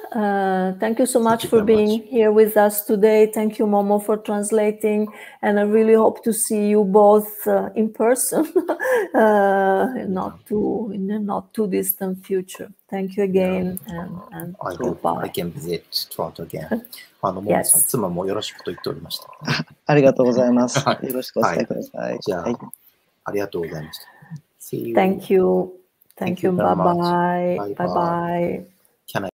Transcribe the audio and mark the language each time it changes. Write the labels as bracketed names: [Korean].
[English] Thank you so much for being here with us today. Thank you, Momo, for translating. And I really hope to see you both in person, in a not too distant future. Thank you again. I hope I can visit Toronto again. [Japanese] Momo-san, 妻もよろしくと言っておりました。ありがとうございます。よろしくお伝えください。じゃあ、ありがとうございました。 [English] Thank you. Thank you. Bye-bye. Bye-bye. Bye-bye.